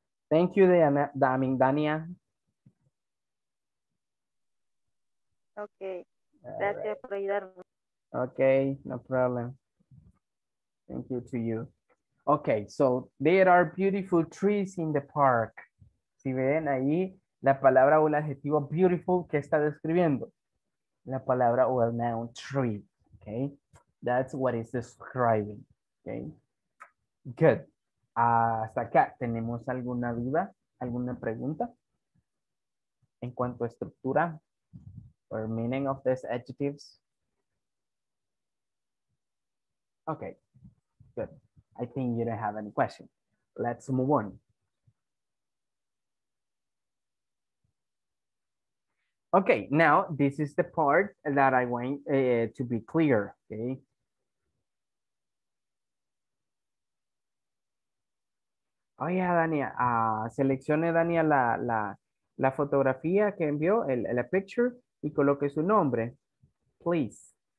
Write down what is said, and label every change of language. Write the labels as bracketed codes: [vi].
[en] Thank you, Dania. [es] Okay, gracias por ayudarme. [en] Okay, no problem. Thank you to you. Okay, so there are beautiful trees in the park. [es] Si ven ahí, la palabra o el adjetivo beautiful, ¿qué está describiendo? La palabra o el [en] noun tree, okay? That's what it's describing, okay? Good. [es] Hasta acá, ¿tenemos alguna duda, alguna pregunta? En cuanto a estructura [en] or meaning of these adjectives? Okay, good. I think you don't have any question. Let's move on. Okay, now this is the part that I want to be clear, okay? [es] Oh yeah, Dania, seleccione Dania la fotografía que envió, la picture, y coloque su nombre, please.